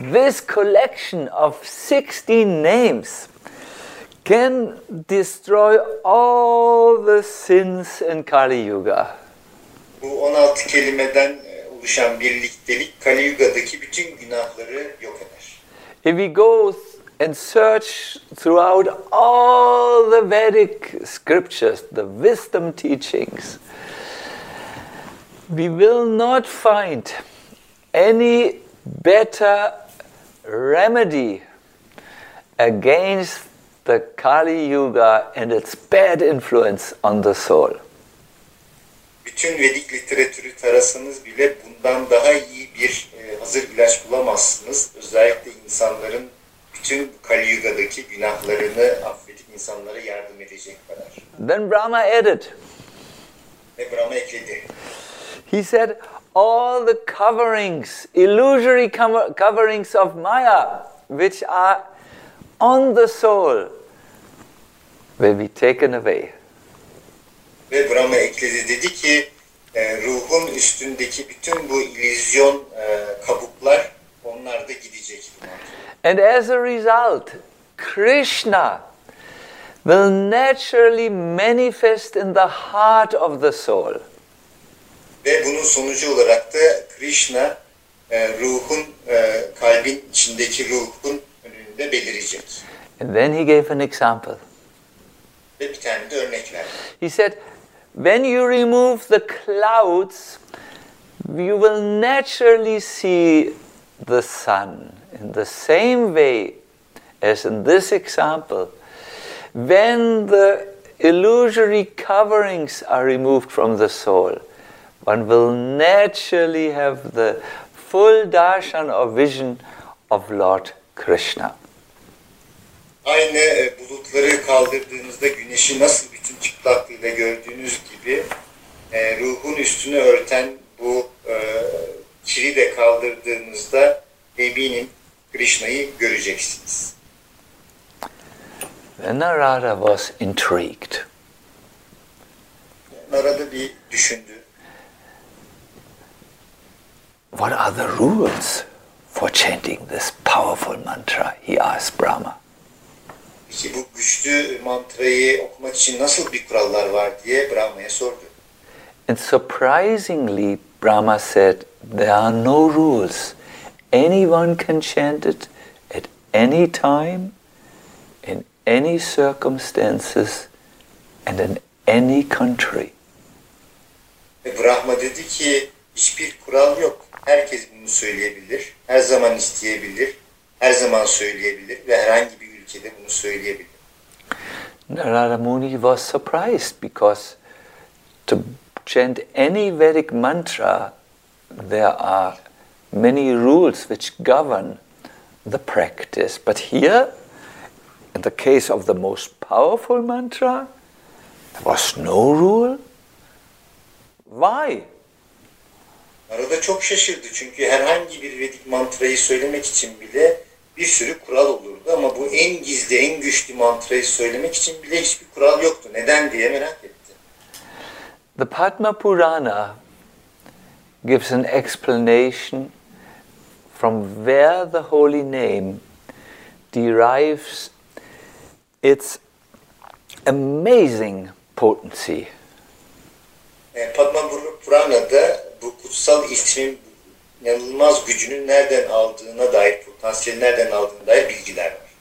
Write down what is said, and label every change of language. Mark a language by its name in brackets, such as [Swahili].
[English] This collection of 16 names can destroy all the sins in Kali Yuga. [Turkish] Bu 16 kelimeden oluşan birliktelik Kali Yuga'daki bütün günahları yok eder. [English] If we go and search throughout all the Vedic scriptures, the wisdom teachings, we will not find any better remedy against the Kali Yuga and its bad influence on the soul. [Turkish] Bütün Vedik literatürü tarasanız bile bundan daha iyi bir hazır ilaç bulamazsınız. Özellikle insanların bütün Kali Yuga'daki günahlarını affedip insanlara yardım edecek kadar. [English] Then Brahma added. [Turkish] Ve Brahma ekledi. [English] He said, all the coverings, illusory coverings of Maya, which are on the soul, will be taken away. [Turkish] Ve Brahma ekledi, dedi ki, ruhun üstündeki bütün bu illüzyon kabuklar, onlar da gidecek. [English] And as a result, Krishna will naturally manifest in the heart of the soul. [Turkish] Ve bunun sonucu olarak da Krishna, ruhun, kalbin içindeki ruhun önünde belirecek. [English] And then he gave an example. [Turkish] Ve bir tane de örnek verdi. [English] He said, when you remove the clouds, you will naturally see the sun. In the same way as in this example, when the illusory coverings are removed from the soul, one will naturally have the full darshan or vision of Lord Krishna. [Turkish] Aynı bulutları kaldırdığınızda güneşi nasıl bütün çıplaklığıyla gördüğünüz gibi, ruhun üstünü örten bu çili de kaldırdığınızda eminim Krishna'yı göreceksiniz. [English] Narada was intrigued. [Turkish] Narada bir düşündü. [English] What are the rules for chanting this powerful mantra? He asked Brahma. [Turkish] Peki bu güçlü mantrayı okumak için nasıl bir kurallar var diye Brahma'ya sordu. [English] And surprisingly, Brahma said, there are no rules. Anyone can chant it at any time, in any circumstances, and in any country. [Turkish] Brahma dedi ki, hiçbir kural yok. Herkes bunu söyleyebilir, her zaman isteyebilir, her zaman söyleyebilir ve herhangi bir ülkede bunu söyleyebilir. [English] Narada Muni was surprised because to chant any Vedic mantra, there are many rules which govern the practice. But here, in the case of the most powerful mantra, there was no rule. Why? [Turkish] Arada çok şaşırdı çünkü herhangi bir Vedik mantrayı söylemek için bile bir sürü kural olurdu ama bu en gizli, en güçlü mantrayı söylemek için bile hiçbir kural yoktu. Neden diye merak etti. [English] The Padma Purana gives an explanation from where the holy name derives its amazing potency. [Turkish] Padma Purana'da bu kutsal ismin inanılmaz gücünü nereden aldığına dair, potansiyeli nereden aldığına dair bilgiler var.